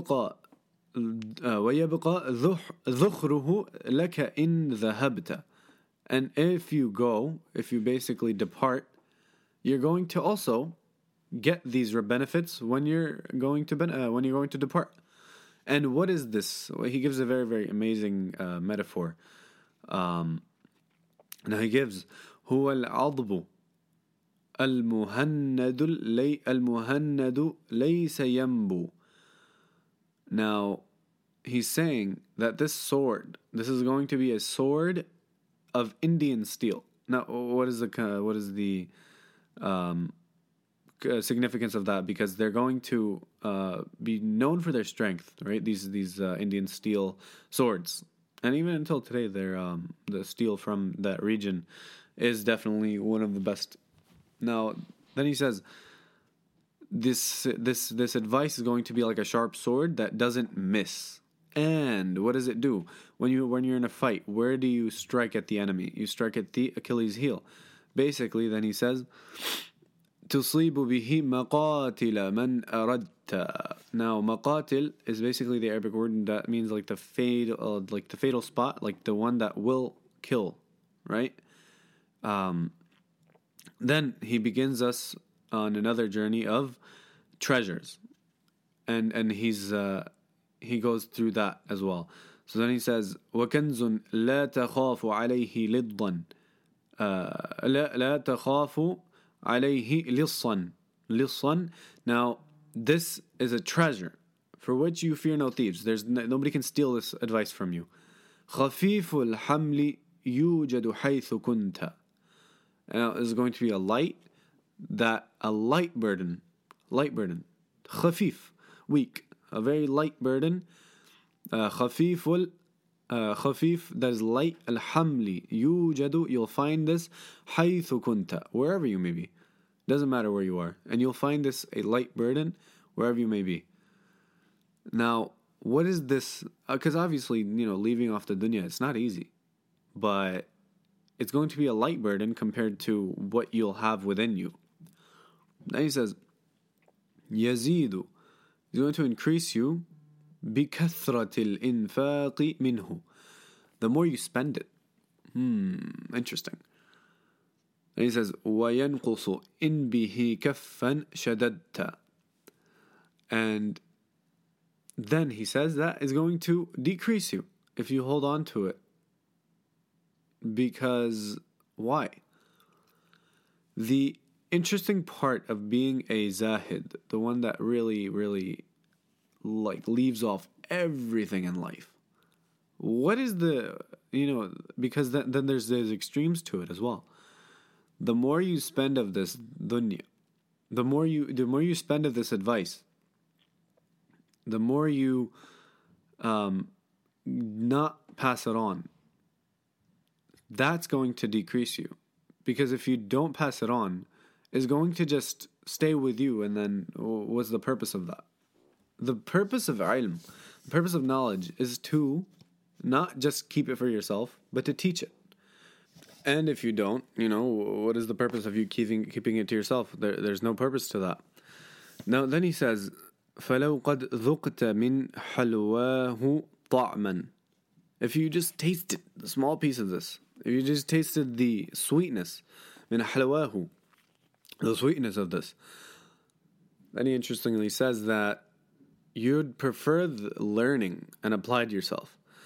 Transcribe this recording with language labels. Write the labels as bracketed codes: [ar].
[ar] وَيَبْقَى ذُخْرُهُ لَكَ إِن ذَهَبْتَ. [en] And if you go, if you basically depart, you're going to also get these benefits when you're going to when you're going to depart. And what is this? Well, he gives a very, very amazing metaphor. Now he gives, [ar] هو العضب المهند المهند ليس ينبو. [en] Now he's saying that this sword, this is going to be a sword of Indian steel. Now, what is the significance of that? Because they're going to be known for their strength, right? These Indian steel swords, and even until today, the steel from that region is definitely one of the best. Now, then he says, this advice is going to be like a sharp sword that doesn't miss. And what does it do? When you're in a fight, where do you strike at the enemy? You strike at the Achilles' heel. Basically, then he says, [ar] تُصِيبُ بِهِ مَقَاتِلَ مَنْ أَرَدْتَ. [en] Now, مَقَاتِل is basically the Arabic word that means like the fatal spot, like the one that will kill, right? Then he begins us on another journey of treasures. And he goes through that as well. So then he says, [ar] وَكَنْزٌ لَا تَخَافُ عَلَيْهِ لِضًّا لَا تَخَافُ عَلَيْهِ لِصًّا. [en] Now, this is a treasure for which you fear no thieves. Nobody can steal this advice from you. [ar] خَفِيفُ الْحَمْلِ يُوجَدُ حَيْثُ كُنْتَ. [en] Now, this is going to be a light burden, خفيف, weak, a very light burden, خفيف, that is light, الحملي, يوجد, you'll find this, [ar] حيث كنت, [en] wherever you may be, doesn't matter where you are, and you'll find this, a light burden, wherever you may be. Now, what is this, because obviously, you know, leaving off the dunya, it's not easy, but it's going to be a light burden compared to what you'll have within you. Now he says, يزيد, he's going to increase you, [ar] بكثرة الإنفاق منه, [en] the more you spend it. Interesting. And he says, [ar] وينقص إن به كفا شددت. [en] And then he says that is going to decrease you if you hold on to it. Because why? The interesting part of being a Zahid, the one that really, really, like, leaves off everything in life. What is the, you know, because then there's extremes to it as well. The more you spend of this dunya, the more you spend of this advice, the more you not pass it on, that's going to decrease you. Because if you don't pass it on, is going to just stay with you, and then what's the purpose of that? The purpose of ilm, the purpose of knowledge, is to not just keep it for yourself, but to teach it. And if you don't, you know, what is the purpose of you keeping it to yourself? There's no purpose to that. Now, then he says, [ar] فَلَوْ قَدْ ذُقْتَ مِنْ حَلْوَاهُ طَعْمًا. [en] If you just tasted the small piece of this, if you just tasted the sweetness, [ar] مِنْ حَلْوَاهُ, [en] the sweetness of this. Then he interestingly says that you'd prefer the learning and applied yourself.